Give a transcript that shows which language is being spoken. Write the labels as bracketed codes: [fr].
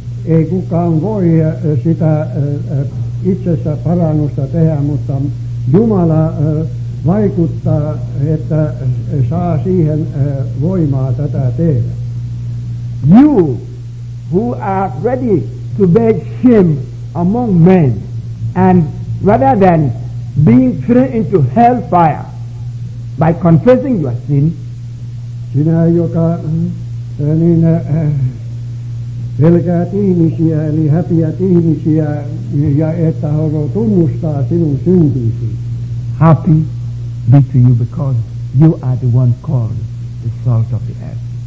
[fi] ei kukaan voi sitä itsessä parannusta tehdä, mutta Jumala vaikuttaa, että saa siihen voimaa tätä tehdä. [en] You who are ready to bear shame among men, and rather than being thrown into hellfire by confessing your sin, [fi] sinä, joka niin pelkäät ihmisiä, eli häpiät ihmisiä, ja että haluat tunnustaa sinun syntisi. [en] Happy be to you, because you are the one called the salt of the earth.